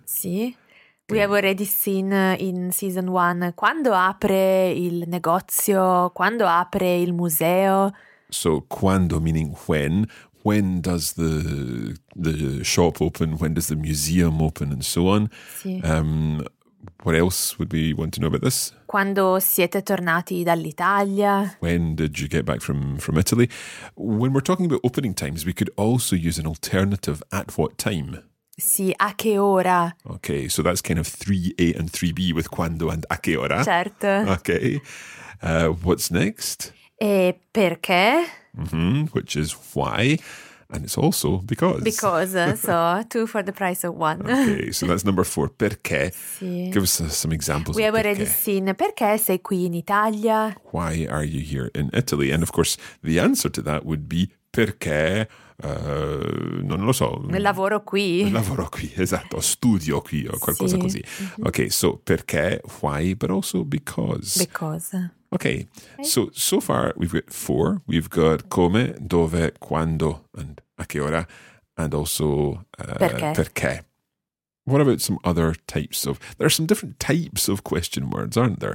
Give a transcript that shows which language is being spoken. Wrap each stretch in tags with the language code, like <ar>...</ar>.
<it>Sì.</it> <en>We have already seen in season one,</en> <it>quando apre il negozio, quando apre il museo.</it> <en>So, quando meaning when... When does the shop open? When does the museum open? And so on.</en> <it>Sì.</it> <en>What else would we want to know about this?</en> <it>Quando siete tornati dall'Italia.</it> <en>When did you get back from Italy? When we're talking about opening times, we could also use an alternative at what time.</en> <it>Sì, a che ora.</it> <en>Okay, so that's kind of 3A and 3B with quando and a che ora.</en> <it>Certo.</it> <en>Okay. What's next?</en> <it>E perché?</it> <en>Mm-hmm, which is why, and it's also because. Because, so two for the price of one. Okay, so that's number four, perché.</en> <it>Sì.</it> <en>Give us some examples. We have already seen,</en> <it>perché sei qui in Italia?</it> <en>Why are you here in Italy? And of course, the answer to that would be,</en> <it>perché, non lo so. Lavoro qui. Lavoro qui, esatto, studio qui, o qualcosa sì. così. Mm-hmm.</it> <en>Okay, so perché, why, but also because. Because. Okay, so far we've got four. We've got come, dove, quando, and a che ora, and also</en> <it>perché.</it> <en>What about some other types of... There are some different types of question words, aren't there?</en>